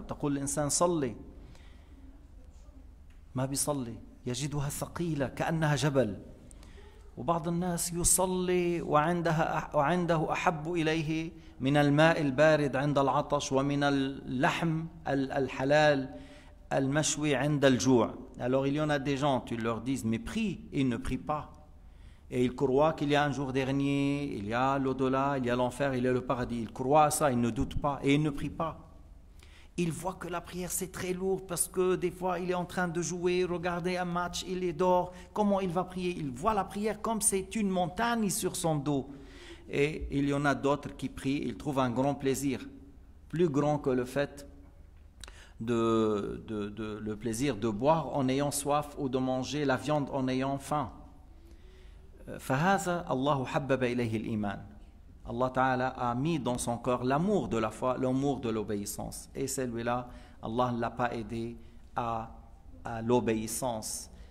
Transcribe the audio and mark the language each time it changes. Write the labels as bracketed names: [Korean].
[Arabic] تقول الإنسان صلي ما بيصلي، يجدها ثقيلة كأنها جبل. وبعض الناس يصلي وعنده أحب إليه من الماء البارد عند العطش ومن اللحم الحلال المشوي عند الجوع. [French] Alors il y en a des gens, tu leur dis mais prie, ils ne prient pas. Et ils croient qu'il y a un jour dernier, il y a l'au-delà, il y a l'enfer, il y a le paradis. Ils croient à ça, ils ne doutent pas et ils ne prient pas. Ils voient que la prière c'est très lourd parce que des fois il est en train de jouer, regarder un match, il est dehors. Comment il va prier? Il voit la prière comme c'est une montagne sur son dos. Et il y en a d'autres qui prient, ils trouvent un grand plaisir, plus grand que le fait de le plaisir de boire en ayant soif ou de manger la viande en ayant faim. [Arabic] فهذا الله حبب إليه الإيمان. الله تعالى [French] a mis dans son cœur l'amour de la foi, l'amour de l'obéissance. Et celui-là, Allah ne l'a pas aidé à l'obéissance.